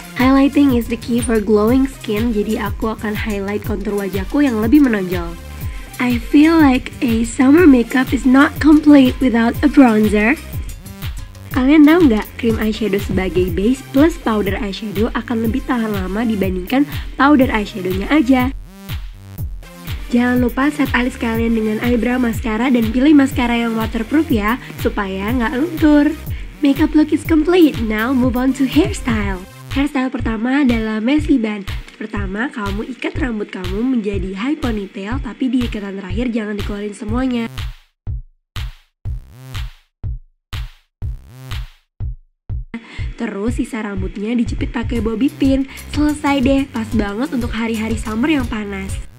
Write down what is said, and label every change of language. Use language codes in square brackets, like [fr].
[en] Highlighting is the key for glowing skin. [id] Jadi aku akan highlight kontur wajahku yang lebih menonjol. [en] I feel like a summer makeup is not complete without a bronzer. [id] Kalian tahu nggak, krim eyeshadow sebagai base plus powder eyeshadow akan lebih tahan lama dibandingkan powder eyeshadownya aja. Jangan lupa set alis kalian dengan eyebrow mascara dan pilih mascara yang waterproof ya, supaya nggak luntur. [en] Makeup look is complete, now move on to hairstyle. [id] Hairstyle pertama adalah messy bun. Pertama, kamu ikat rambut kamu menjadi high ponytail, tapi di ikatan terakhir jangan dikeluarin semuanya. Terus sisa rambutnya dijepit pakai bobby pin. Selesai deh, pas banget untuk hari-hari summer yang panas.